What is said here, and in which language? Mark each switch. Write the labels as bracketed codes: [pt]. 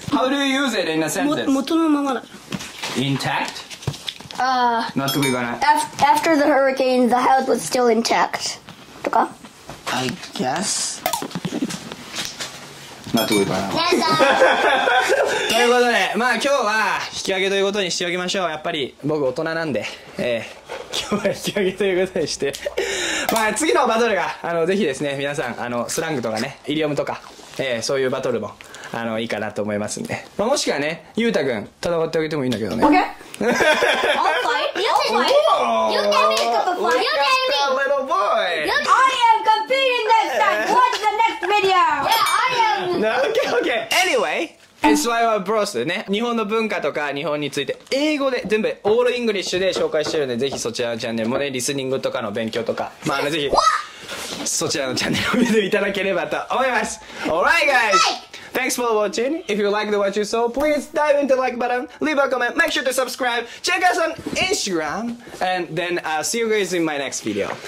[en] How do you use it in a sentence? [ja] Moto no mama da. [en] Intact? Not to be gonna... After the hurricane, the house was still intact. [ja] To ka? [en] I guess... [ja] なっておいかな。ということで、まあ今日は引き上げということにしておきましょう。やっぱり僕大人なんで、今日は引き上げということにして、まあ次のバトルがぜひですね、皆さんスラングとかね、イリオムとか、そういうバトルもいいかなと思いますんで、まあ、もしくはね、ゆうたくん戦ってあげてもいいんだけどね。 [en] OK? I'll fight. You'll fight. You'll tell me to fight. You'll tell me. Look at that little boy. I am competing next time. What's the next video? Yeah, I OK! Anyway, SYR Bros. [ja] でね、日本の文化とか日本について英語で全部オールイングリッシュで紹介してるんで、ぜひそちらのチャンネルもね、リスニングとかの勉強とか、まあぜひそちらのチャンネルを見ていただければと思います。 [en] Alright guys! Thanks for watching! If you liked what you saw, please dive into like button, leave a comment, make sure to subscribe, check us on Instagram, and then I'll see you guys in my next video.